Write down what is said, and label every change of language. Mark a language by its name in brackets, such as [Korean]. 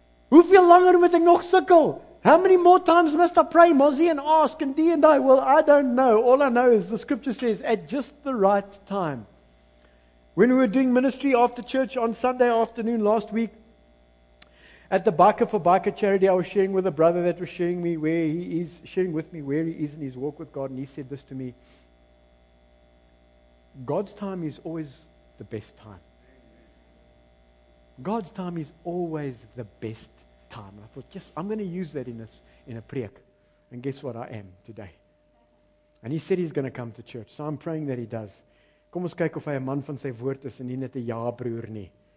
[Afrikaans] Hoeveel langer moet ek nog sukkel? [English] How many more times must I pray, Mozzie, and ask, and thee and I? Well, I don't know. All I know is the scripture says, at just the right time. When we were doing ministry after church on Sunday afternoon last week, At the Biker for Biker charity, I was sharing with a brother that was sharing me where he is, sharing with me where he is in his walk with God, and he said this to me: God's time is always the best time. God's time is always the best time. And I thought, just I'm going to use that in a prayer. And guess what? I am today. And he said he's going to come to church, so I'm praying that he does. [Afrikaans] Kom ons kyk of hy 'n man van sy woord is en nie net 'n ja broer nie.